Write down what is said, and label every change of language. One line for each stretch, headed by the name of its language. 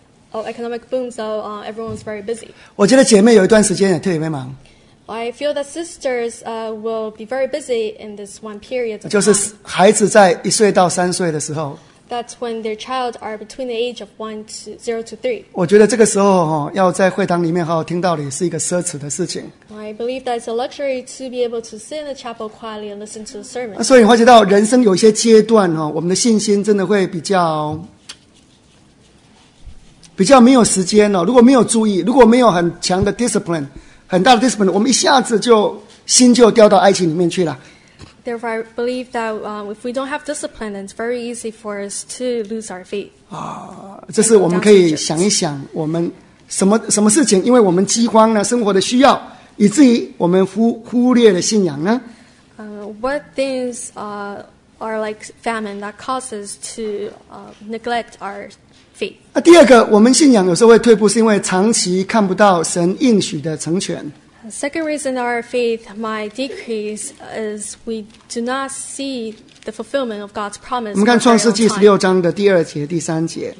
English: Economic boom, so everyone's very busy.
Chinese: 我觉得姐妹有一段时间也特别忙。
English: I feel that sisters will be very busy in this one period.
Chinese: 就是孩子在一岁到三岁的时候。
English: That's when their child are between the age of 0 to 3.
Chinese: 我觉得这个时候要在会堂里面好好听道理是一个奢侈的事情。
English: I believe that it's a luxury to be able to sit in the chapel quietly and listen to the sermon.
Chinese: 所以你发觉到人生有些阶段我们的信心真的会比较没有时间如果没有注意，如果没有很强的 discipline。很大的 discipline， 我们一下子就心就掉到爱情里面去了。
English: Therefore, I believe that if we don't have discipline, then it's very easy for us to lose our faith.
Chinese: 这是我们可以想一想，我们什么事情，因为我们饥荒呢，生活的需要，以至于我们忽略了信仰呢？
English: What things are like famine that causes to neglect our
Chinese: 第二个，我们信仰有时候会退步，是因为长期看不到神应许的成全。
English: Second reason our faith might decrease is we do not see the fulfillment of God's promise.
Chinese: 我们看创世纪十六章的第二节、第三节。